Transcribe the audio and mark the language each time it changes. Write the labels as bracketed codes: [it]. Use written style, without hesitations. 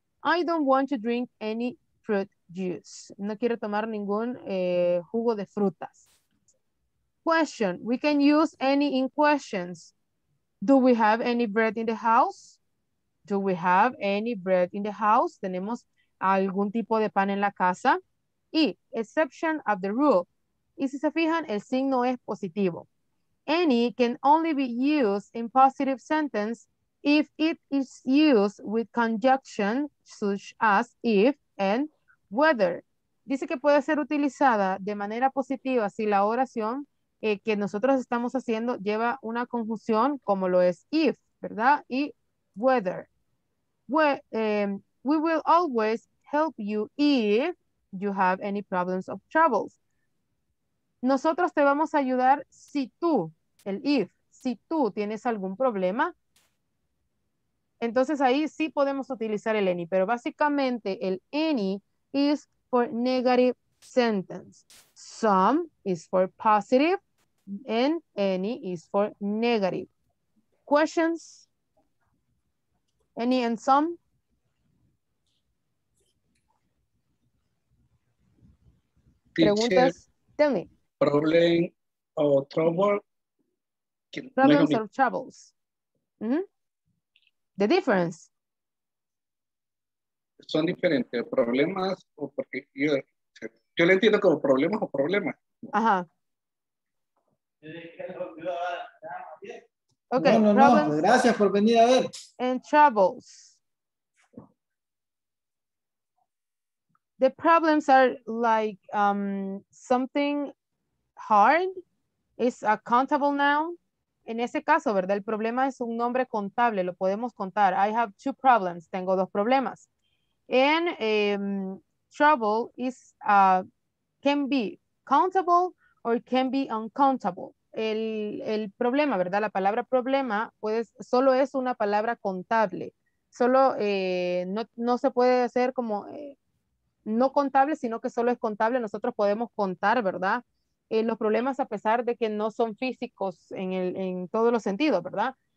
[en] I don't want to drink any fruit juice. No quiero tomar ningún jugo de frutas. Question. We can use any in questions. Do we have any bread in the house? Do we have any bread in the house? [es] ¿Tenemos algún tipo de pan en la casa? Y exception of the rule. Y si se fijan, el signo es positivo. [en] Any can only be used in positive sentence if it is used with conjunction such as if and whether. [es] Dice que puede ser utilizada de manera positiva si la oración que nosotros estamos haciendo lleva una conjunción como lo es if, ¿verdad? Y whether. [en] We will always help you if you have any problems or troubles. [es] Nosotros te vamos a ayudar si tú, el if, si tú tienes algún problema. Entonces ahí sí podemos utilizar el any, pero básicamente el any is for negative sentence. [en] Some is for positive and any is for negative. Questions? Any and some? ¿Preguntas? Tell me. Problem or trouble? Problems or troubles? Mm-hmm. The difference? [es] Son diferentes, problemas o porque yo le entiendo como problemas o problemas. Ajá. Okay, no, no, no, gracias por venir a ver. [en] And troubles. The problems are like something hard is a countable noun. [es] En ese caso, ¿verdad? El problema es un nombre contable, lo podemos contar. [en] I have two problems, tengo dos problemas. And trouble is can be countable or can be uncountable. [es] El problema, ¿verdad? La palabra problema pues, solo es una palabra contable. Solo no se puede hacer como no contable, sino que solo es contable. Nosotros podemos contar, ¿verdad? Los problemas a pesar de que no son físicos en todos los sentidos, ¿verdad?